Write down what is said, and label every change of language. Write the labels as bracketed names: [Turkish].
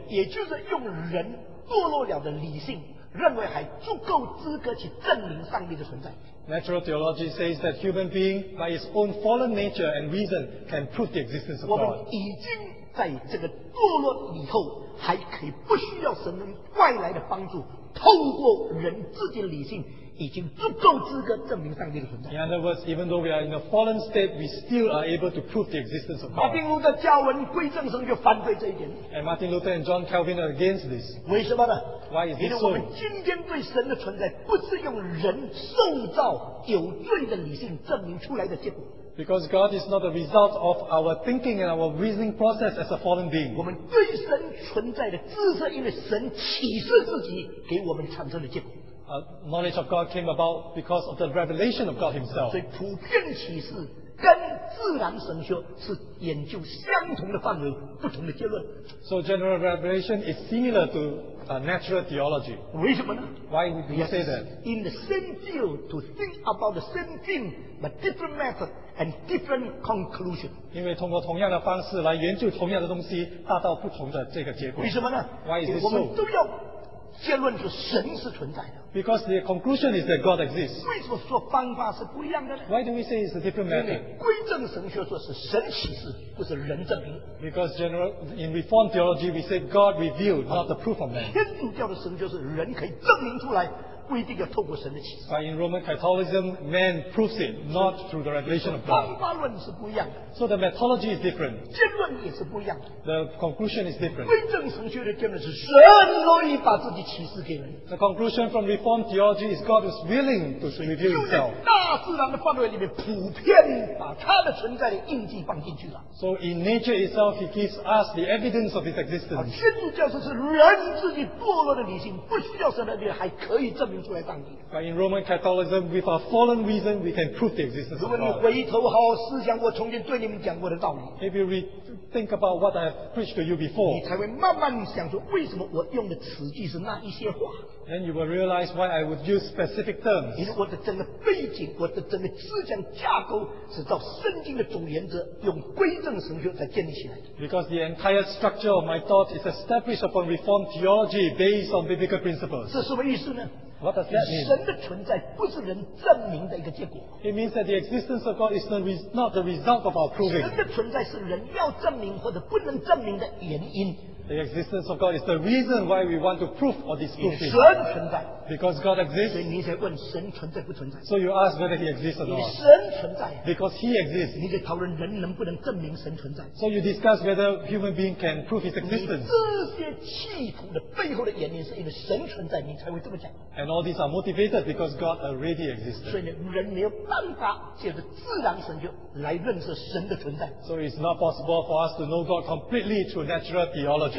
[Chinese] 也就是用人堕落了的理性，认为还足够资格去证明上帝的存在。 [English] Natural theology says that human being, by its own fallen nature and reason, can prove the existence of God. [Chinese] 我们已经在这个堕落以后，还可以不需要神人外来的帮助，透过人自己的理性，已经足够资格证明上帝的存在。 [English] In other words, even though we are in a fallen state, we still are able to prove the existence of God. [Chinese] 马丁路德教文归正神就反对这一点。 [English] And Martin Luther and John Calvin are against this. [Chinese] 为什么呢？ [English] Why is this so? [Chinese] 因为我们今天对神的存在，不是用人受造有罪的理性证明出来的结果。 [English] Because God is not the result of our thinking and our reasoning process as a fallen being. [Chinese] 我们对神存在的只是因为神启示自己给我们产生的结果。 [English] Knowledge of God came about because of the revelation of God Himself. [Chinese] 所以普遍启示跟自然神学是研究相同的范围，不同的结论。 [English] So general revelation is similar to natural theology. [Chinese] 为什么呢？ [English] Why would you say that? In the same field, to think about the same thing, but different method and different conclusion. [Chinese] 因为通过同样的方式来研究同样的东西，达到不同的这个结果。为什么呢？ [English] Why is this so? [Chinese] 我们都要结论是神是存在的。 [English] Because the conclusion is that God exists. [Chinese] 为什么说方法是不一样的呢？ [English] Why do we say it's a different method? [Chinese] 因为归正神学说是神启示，不是人证明。 [English] Because general in Reformed theology we say God revealed, not the proof of man. [Chinese] 天主教的神学是人可以证明出来，不一定要透过神的启示。 [English] But in Roman Catholicism, man proves it, not through the revelation of God. [Chinese] 方法论是不一样的。 [English] So the methodology is different. [Chinese] 结论也是不一样的。 [English] The conclusion is different. [Chinese] 归正神学的结论是神乐意把自己启示给人。 [English] The conclusion from Reformed theology is God is willing to reveal Himself. [Chinese] 大自然的范围里面普遍把他的存在的印记放进去了。 [English] So in nature itself, He gives us the evidence of His existence. [Chinese] 天主教是人自己堕落的理性，不需要神的理，还可以证明出来上帝。 [English] But in Roman Catholicism, with our fallen reason, we can prove the existence of God. [Chinese] 如果你回头好好思想我重新对你们讲过的道理， [English] if you think about what I have preached to you before, [Chinese] 你才会慢慢想说为什么我用的词句是那一些话。 [English] Then you will realize why I would use specific terms. [Chinese] 因为我的整个背景，我的整个思想架构是照圣经的总原则，用归正神学才建立起来。 [English] Because the entire structure of my thought is established upon Reformed theology based on biblical principles. [Chinese] 这什么意思呢？ [English] What does that mean? [Chinese] 神的存在不是人证明的一个结果。 [English] It means that the existence of God is not the result of our proving. [Chinese] 神的存在是人要证明或者不能证明的原因。 [English] The existence of God is the reason why we want to prove or disprove it. [Chinese] 神存在。 [English] Because God exists. [Chinese] 所以你才问神存在不存在。 [English] So you ask whether He exists or not. [Chinese] 神存在。 [English] Because He exists. [Chinese] 你在讨论人能不能证明神存在。 [English] So you discuss whether human being can prove His existence. [Chinese] 这些企图的背后的原因是因为神存在，你才会这么讲。 [English] And all these are motivated because God already exists. [Chinese] 所以人没有办法借着自然神学来认识神的存在。 [English] So it's not possible for us to know God completely through natural theology.